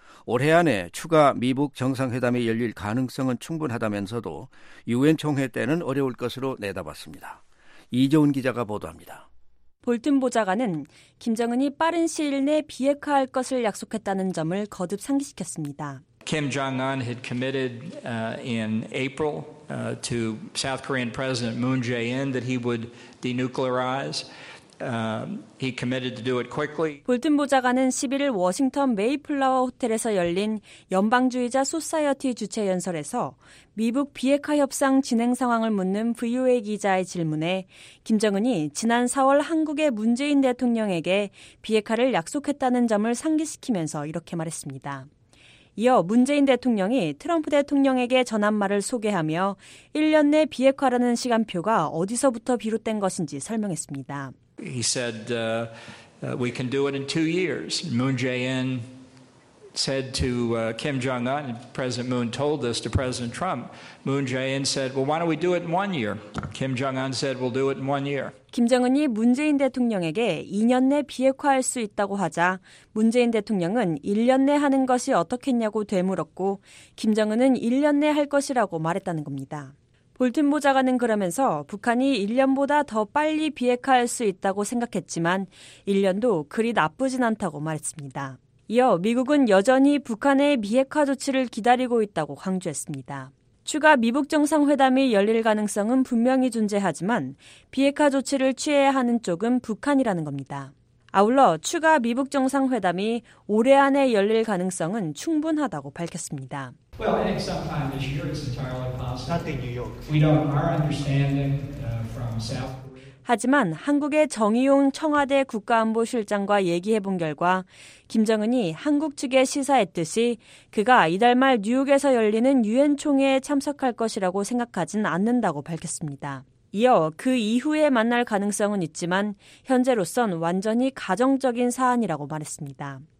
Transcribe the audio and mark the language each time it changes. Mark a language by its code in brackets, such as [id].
[ko] 올해 안에 추가 미북 정상회담이 열릴 가능성은 충분하다면서도 유엔 총회 때는 어려울 것으로 내다봤습니다. 이재훈 기자가 보도합니다. 볼튼 보좌관은 김정은이 빠른 시일 내 비핵화할 것을 약속했다는 점을 거듭 상기시켰습니다. [en] Kim Jong-un had committed in April to South Korean President Moon Jae-in that he would denuclearize. He committed to do it quickly. [ko] 볼튼 보좌관은 11일 워싱턴 메이플라워 호텔에서 열린 연방주의자 소사이어티 주최 연설에서 미북 비핵화 협상 진행 상황을 묻는 VOA 기자의 질문에 김정은이 지난 4월 한국의 문재인 대통령에게 비핵화를 약속했다는 점을 상기시키면서 이렇게 말했습니다. 이어 문재인 대통령이 트럼프 대통령에게 전한 말을 소개하며 1년 내 비핵화라는 시간표가 어디서부터 비롯된 것인지 설명했습니다. [en] He said, we can do it in 2 years. Moon Jae-in said to Kim Jong-un, President Moon told this to President Trump. Moon Jae-in said, well, why don't we do it in 1 year? Kim Jong-un said, we'll do it in 1 year. [ko] 김정은이 문재인 대통령에게 2년 내 비핵화할 수 있다고 하자 문재인 대통령은 1년 내 하는 것이 어떻겠냐고 되물었고 김정은은 1년 내 할 것이라고 말했다는 겁니다. 볼튼 보좌관은 그러면서 북한이 1년보다 더 빨리 비핵화할 수 있다고 생각했지만 1년도 그리 나쁘진 않다고 말했습니다. 이어 미국은 여전히 북한의 비핵화 조치를 기다리고 있다고 강조했습니다. 추가 미북 정상회담이 열릴 가능성은 분명히 존재하지만 비핵화 조치를 취해야 하는 쪽은 북한이라는 겁니다. 아울러 추가 미북 정상회담이 올해 안에 열릴 가능성은 충분하다고 밝혔습니다. [en] Well, I think sometime this year it's entirely possible. Not in New York. We don't. Our understanding from South. [ko] 하지만 한국의 정의용 청와대 국가안보실장과 얘기해본 결과 김정은이 한국 측에 시사했듯이 그가 이달 말 뉴욕에서 열리는 유엔 총회에 참석할 것이라고 생각하진 않는다고 밝혔습니다. 이어 그 이후에 만날 가능성은 있지만 현재로선 완전히 가정적인 사안이라고 말했습니다.